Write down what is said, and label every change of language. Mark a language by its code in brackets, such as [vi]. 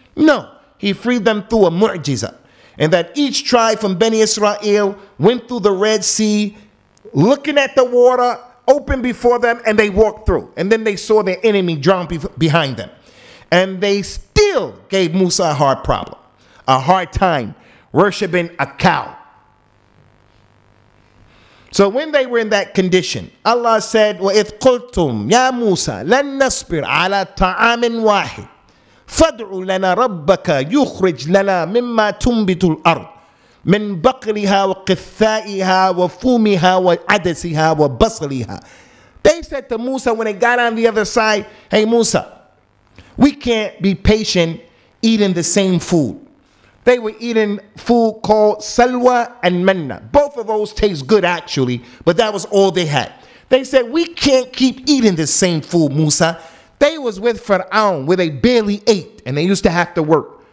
[en] No, he freed them through a mu'jizah. And that each tribe from Bani Israel went through the Red Sea, looking at the water open before them, and they walked through. And then they saw their enemy drown behind them. And they still gave Musa a hard problem, a hard time worshiping a cow. So when they were in that condition, Allah said, [ar] وَإِذْ قُلْتُمْ يَا مُوسَى لَن نَصْبِرْ عَلَى طَعَامٍ وَاحِدٍ فَدْعُ لَنَا رَبَّكَ يُخْرِجْ لَنَا مِمَّا تُنْبِتُ الْأَرْضِ مِنْ بَقْلِهَا وَقِثَّائِهَا وَفُومِهَا وَعَدَسِهَا وَبَصْلِهَا. [en] They said to Musa when they got on the other side, hey, Musa, we can't be patient eating the same food. They were eating food called salwa and manna. Both of those taste good, actually, but that was all they had. They said, we can't keep eating the same food, Musa. They was with Fir'aun, where they barely ate, and they used to have to work.